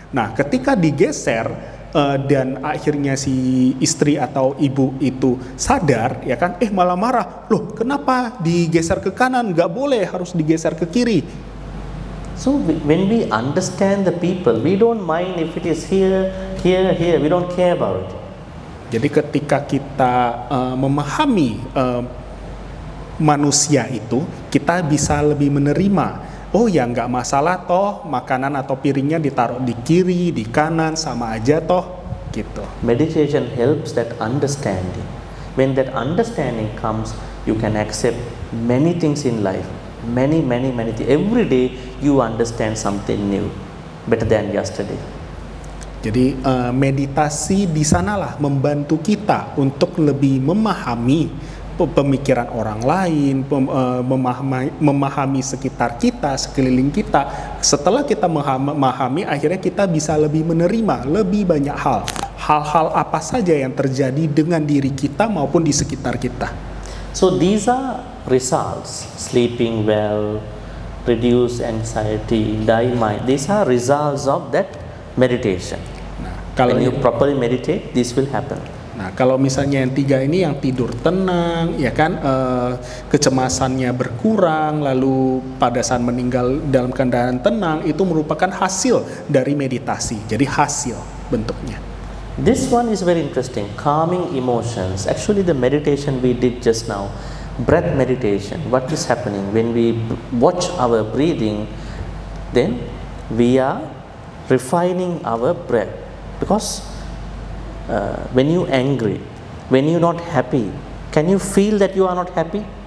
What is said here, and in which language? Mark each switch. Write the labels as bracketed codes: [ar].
[id] Nah, ketika digeser, dan akhirnya si istri atau ibu itu sadar, ya kan, malah marah, loh kenapa digeser ke kanan, gak boleh, harus digeser ke kiri. [en] So when we understand the people, we don't mind if it is here, we don't care about it. [id] Jadi ketika kita memahami manusia itu, kita bisa lebih menerima, oh ya enggak masalah toh, makanan atau piringnya ditaruh di kiri, di kanan, sama aja toh, gitu. [en] Meditation helps that understanding. When that understanding comes, you can accept many things in life. Many things. Every day you understand something new, better than yesterday. [id] Jadi meditasi di sanalah membantu kita untuk lebih memahami pemikiran orang lain, memahami sekitar kita, sekeliling kita. Setelah kita memahami, akhirnya kita bisa lebih menerima lebih banyak hal. Hal-hal apa saja yang terjadi dengan diri kita maupun di sekitar kita. [en] So these are results, sleeping well, reduce anxiety, die mind. These are results of that meditation. [id] Nah, kalau [en] when you properly meditate, this will happen. [id] Nah, kalau misalnya yang tiga ini, yang tidur tenang, ya kan, kecemasannya berkurang, lalu pada saat meninggal dalam keadaan tenang, itu merupakan hasil dari meditasi. Jadi hasil bentuknya. [en] This one is very interesting, calming emotions. Actually the meditation we did just now, breath meditation, what is happening when we watch our breathing, then we are refining our breath. Because when you angry, when you not happy, can you feel that you are not happy?